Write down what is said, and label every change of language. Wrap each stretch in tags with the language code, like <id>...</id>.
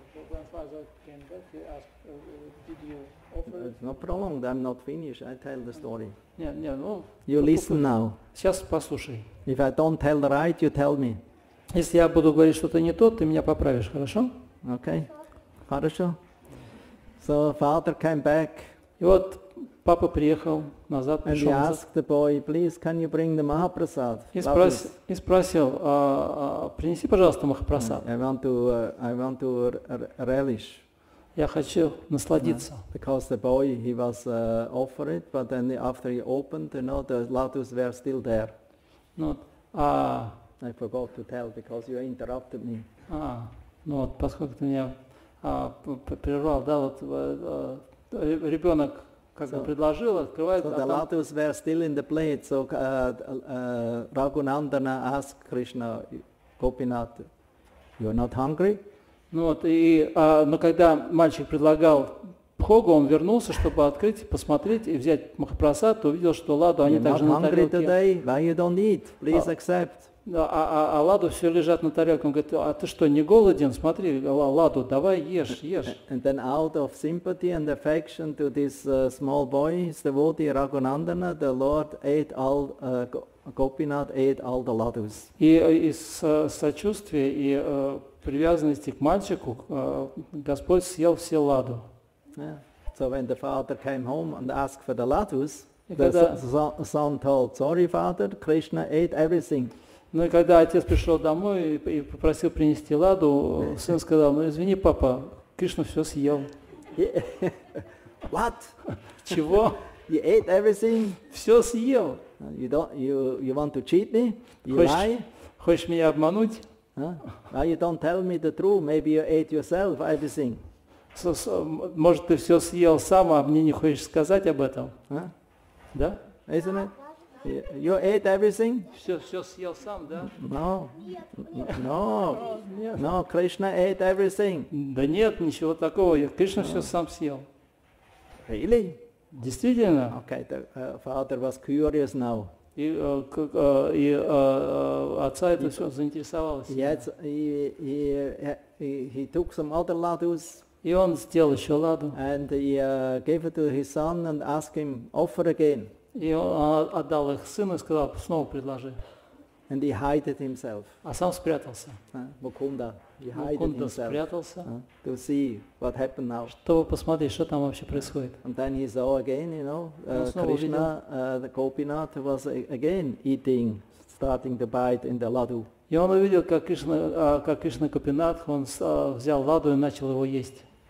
<en>Grandfather came back, he asked, did you offer it? It's not prolonged, I'm not finished, I tell the story. No. You listen now.</en> <ru>Сейчас послушай.</ru> <en>If I don't tell right, you tell me.</en> <ru>Если я буду говорить что-то не то, ты меня поправишь, хорошо?</ru> <en>Okay.</en> <ru>Хорошо.</ru> <en>So father came back.</en> <ru>И вот папа приехал назад,</ru> <en>and</en> <ru>пришел</ru> <en>he asked</en> <ru>назад.</ru> <en>The boy, please, can you bring the Mahaprasad?</en> <ru>И спросил, принеси, пожалуйста, Махапрасад.</ru> <en>I want to relish.</en> <ru>Я хочу насладиться.</ru> <en>Because the boy, he was offered, but then after he opened, you know, the ladus were still there. I forgot to tell because you interrupted me.</en> <ru>Ну вот, поскольку ты меня прервал, да, вот. Ребенок как бы предложил, открывает.</ru> <en>So the ladus were still in the plate, so Raghunandana asked Krishna, Gopinath, you are not hungry?</en> <ru>Ну вот, но когда мальчик предлагал бхогу, он вернулся, чтобы открыть, посмотреть и взять Махапрасад, то увидел, что ладу они также на тарелке.</ru> <en>You're not hungry today? Why you don't eat? Please accept.</en> <ru>А ладу все лежат на тарелке. Он говорит, а ты что, не голоден? Смотри, ладу, давай, ешь.</ru> <en>And then out of sympathy and affection to this small boy, his devotee Raghunandana, the Lord ate all, Gopinath ate all the ladus.</en> <ru>И из сочувствия и привязанности к мальчику Господь съел все ладу.</ru> <en>Yeah. So when the father came home and asked for the ladus, the son told, sorry, father, Krishna ate everything.</en> <ru>Ну и когда отец пришел домой и попросил принести ладу, сын сказал, ну извини, папа, Кришна все съел.</ru> <en>What?</en> <ru>Чего?</ru> <en>You ate everything?</en> <ru>Все съел.</ru> <en>You want to cheat me? You lie?</en> <ru>Хочешь меня обмануть?</ru> <en>Why you don't tell me the truth? Maybe you ate yourself everything.</en> <ru>Может, ты все съел сам, а мне не хочешь сказать об этом? Да?</ru> <en>Isn't it? You ate everything?</en> <ru>Все съел сам, да?</ru> <en>No. Krishna ate everything.</en> <ru>Да нет, ничего такого. Кришна все сам съел.</ru> <en>Really?</en> <ru>Действительно?</ru> <en>Okay, the father was curious now.</en> <ru>И отца это все заинтересовалось.</ru> <en>He took some other ladus.</en> <ru>И он сделал еще ладу.</ru> <en>And he gave it to his son and asked him offer again.</en> <ru>И он отдал их сыну и сказал, снова предложи.</ru> <en>And he hided himself.</en> <ru>А сам спрятался. Мукунда. Мукунда спрятался.</ru> <en>To see what happened now.</en> <ru>Чтобы посмотреть, что там вообще происходит.</ru> <en>And then he saw again, you know, Krishna, the Gopinath was again eating, starting to bite in the ladu.</en> <ru>И он увидел, как Кришна Гопинатх, он взял ладу и начал его есть.</ru>